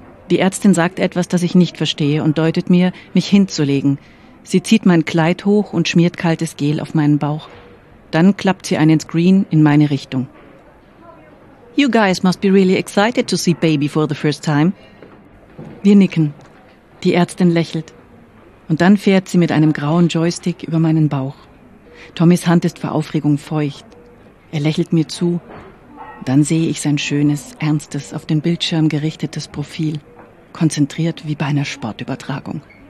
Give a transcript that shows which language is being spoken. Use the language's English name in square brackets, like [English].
[German] Die Ärztin sagt etwas, das ich nicht verstehe und deutet mir, mich hinzulegen. Sie zieht mein Kleid hoch und schmiert kaltes Gel auf meinen Bauch. Dann klappt sie einen Screen in meine Richtung. [English] You guys must be really excited to see baby for the first time. [German] Wir nicken. Die Ärztin lächelt. Und dann fährt sie mit einem grauen Joystick über meinen Bauch. Tommys Hand ist vor Aufregung feucht. Er lächelt mir zu. Dann sehe ich sein schönes, ernstes, auf den Bildschirm gerichtetes Profil. Konzentriert wie bei einer Sportübertragung.